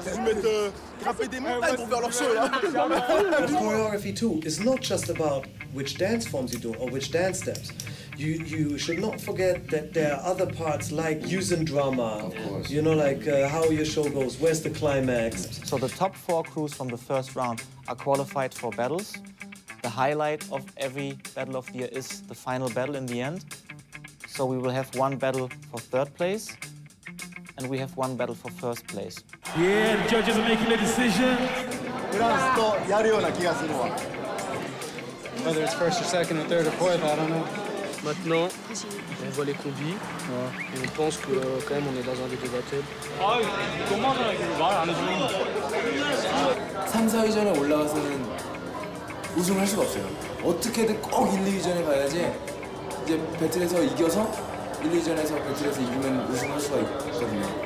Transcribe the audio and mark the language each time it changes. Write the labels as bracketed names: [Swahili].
[French] Ils mettent grimper des montagnes pour faire leur show. [English] The choreography too is not just about which dance forms you do or which dance steps. You should not forget that there are other parts like using drama. Of course. You know, like how your show goes, where's the climax? So the top four crews from the first round are qualified for battles. The highlight of every battle of the year is the final battle in the end. So we will have one battle for third place, and we have one battle for first place. Yeah, the judges are making the decision. Whether it's first or second or third or fourth, I don't know. [French] Maintenant, on voit les combis et on pense que quand même on est dans un des deux battles. Comment ça va? [Korean] 3-4위 전에 올라와서는 우승을 할 수가 없어요. 어떻게든 꼭 1, 2위 전에 가야지 이제 배틀에서 이겨서 1, 2위 전에서 배틀에서 이기면 우승할 수가 있거든요.